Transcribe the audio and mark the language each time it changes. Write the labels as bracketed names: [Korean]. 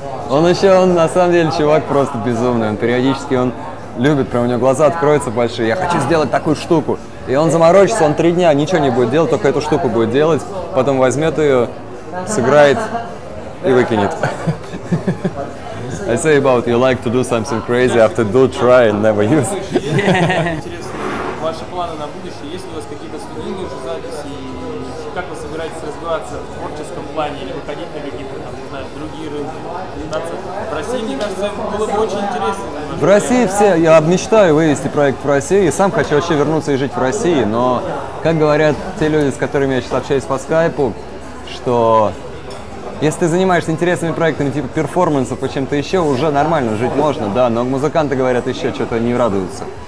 [Russian] Он на самом деле чувак просто безумный. Он периодически он любит, прям у него глаза откроются большие. Я хочу сделать такую штуку. И он заморочится, он 3 дня ничего не будет делать, только эту штуку будет делать, потом возьмет ее, сыграет. И выкинет. [English] I say about you like to do something crazy after do try and never use. [Russian] Интересно, ваши планы на будущее? Есть ли у вас какие-то студийные уже записи? Как вы собираетесь развиваться в творческом плане или выходить на какие-то, там, не знаю, другие рынки? В России, мне кажется, было бы очень интересно. В России все, я мечтаю вывести проект в России. Я сам хочу вообще вернуться и жить в России, но, как говорят те люди, с которыми я сейчас общаюсь по скайпу, что если ты занимаешься интересными проектами, типа перформансов и чем-то еще, уже нормально жить можно, да, но музыканты говорят еще что-то не радуются.